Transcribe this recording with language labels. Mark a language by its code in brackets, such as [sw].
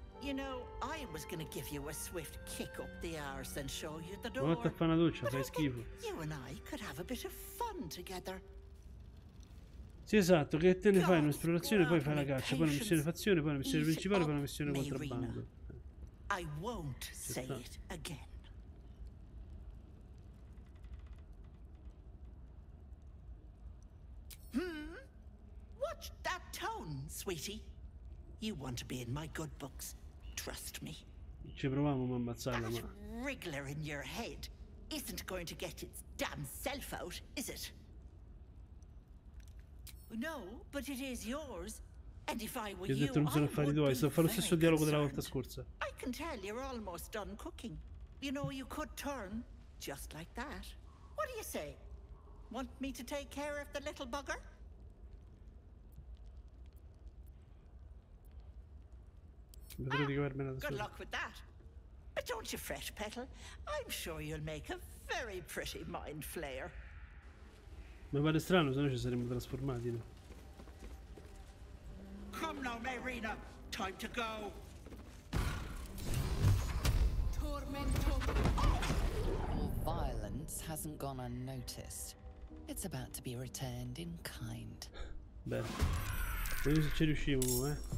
[en] You know, I was gonna give you a swift kick up the arse and show you the door. [it] Ma fai schifo. [en] But I think you and I could have a bit of fun together. [it] Sì, esatto, che te ne fai un'esplorazione, poi fai la caccia, poi una missione fazione, poi una missione principale, poi una missione contrabbando. [en] I won't say it again. Hmm? Watch that tone, sweetie. You want to be in my good books, trust me. [it] Ci proviamo a ammazzarla, ma... [en] wriggler in your head isn't going to get its damn self out, is it? No, but it is yours. And if I were you, I would be very concerned. I can tell you're almost done cooking. You know, you could turn just like that. What do you say? Want me to take care of the little bugger? Good luck with that. But don't you fret, Petal. I'm sure you'll make a very pretty mind flare. [it] Mi pare strano, se no ci saremmo trasformati, no? [en] Come now, Marina! Time to go! Tormentum! Your violence hasn't gone unnoticed. It's about to be returned in kind. [it] Beh, vediamo se ci riuscivo, eh.